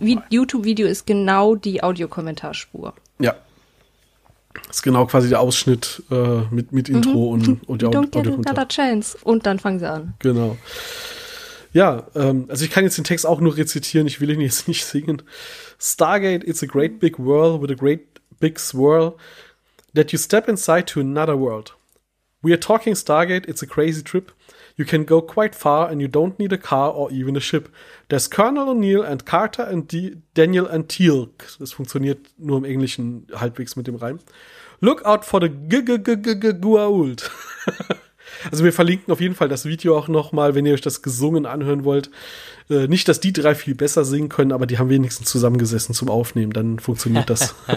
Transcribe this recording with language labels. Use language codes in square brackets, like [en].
[de] Das YouTube-Video ist genau die Audiokommentarspur. Ja. Ist genau quasi der Ausschnitt mit Intro und der Audiokommentar. Und dann fangen sie an. Genau. Ja, also ich kann jetzt den Text auch nur rezitieren, ich will ihn jetzt nicht singen. [en] Stargate, it's a great big world with a great big swirl that you step inside to another world. We are talking Stargate, it's a crazy trip. You can go quite far and you don't need a car or even a ship. There's Colonel O'Neill and Carter and Daniel and Teal'c. [de] Das funktioniert nur im Englischen halbwegs mit dem Reim. [en] Look out for the Gua'uld. [de] Also wir verlinken auf jeden Fall das Video auch nochmal, wenn ihr euch das gesungen anhören wollt. Nicht, dass die drei viel besser singen können, aber die haben wenigstens zusammengesessen zum Aufnehmen. Dann funktioniert das.